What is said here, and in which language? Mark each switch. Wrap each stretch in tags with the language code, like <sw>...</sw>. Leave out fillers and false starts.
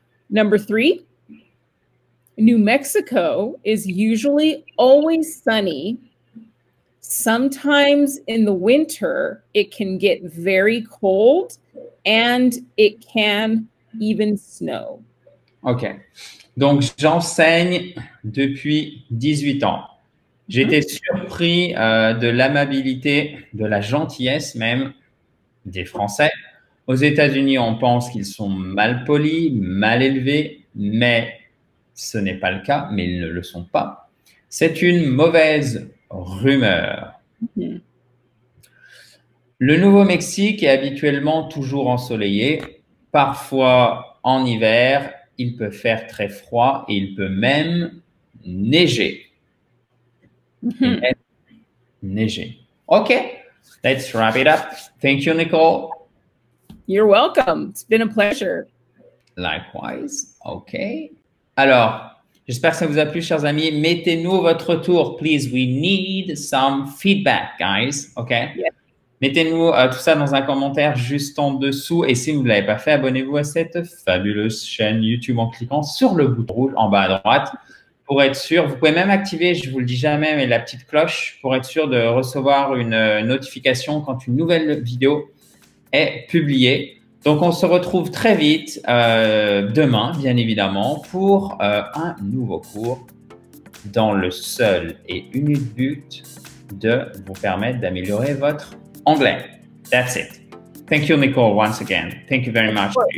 <en>Number three, New Mexico is usually always sunny. Sometimes in the winter, it can get very cold and it can even snow. Okay.</en> <fr>Donc, j'enseigne depuis 18 ans. J'étais surpris de l'amabilité, de la gentillesse même des Français. Aux États-Unis, on pense qu'ils sont mal polis, mal élevés, mais ce n'est pas le cas, mais ils ne le sont pas. C'est une mauvaise rumeur. Le Nouveau-Mexique est habituellement toujours ensoleillé, parfois en hiver. Il peut faire très froid et il peut même neiger.</fr> <en>Mm-hmm. Neiger. OK. Let's wrap it up. Thank you, Nicole. You're welcome. It's been a pleasure. Likewise. OK.</en> <fr>Alors, j'espère que ça vous a plu, chers amis. Mettez-nous votre retour, please.</fr> <en>We need some feedback, guys. OK. Yeah.</en> <fr>Mettez-nous tout ça dans un commentaire juste en dessous. Et si vous ne l'avez pas fait, abonnez-vous à cette fabuleuse chaîne YouTube en cliquant sur le bouton rouge en bas à droite pour être sûr. Vous pouvez même activer, je ne vous le dis jamais, mais la petite cloche pour être sûr de recevoir une notification quand une nouvelle vidéo est publiée. Donc, on se retrouve très vite demain, bien évidemment, pour un nouveau cours dans le seul et unique but de vous permettre d'améliorer votre anglais.</fr> <en>That's it. Thank you, Nicole, once again. Thank you very much.</en>